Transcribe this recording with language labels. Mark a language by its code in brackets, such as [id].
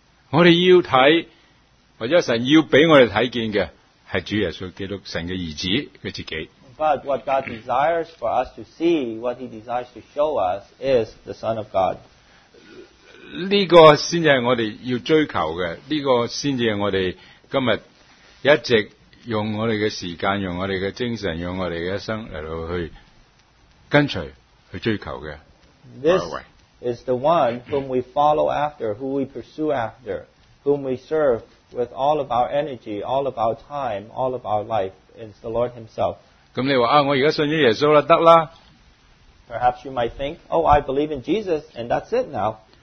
[zh] 我们要看，或者神要给我们看见的，是主耶稣基督，神的儿子，他自己。 [en] But what God desires for us to see, what He desires to show us, is the Son of God. [zh] 这个才是我们要追求的，这个才是我们今天一直用我们的时间，用我们的精神，用我们的一生来去 跟随去追求的, [en] this is the one whom we follow after, who we pursue after, whom we serve with all of our energy, all of our time, all of our life. It's the Lord Himself. [zh] 那你说,我现在信了耶稣了,行了。 [en] Perhaps you might think, oh, I believe in Jesus, and that's it now.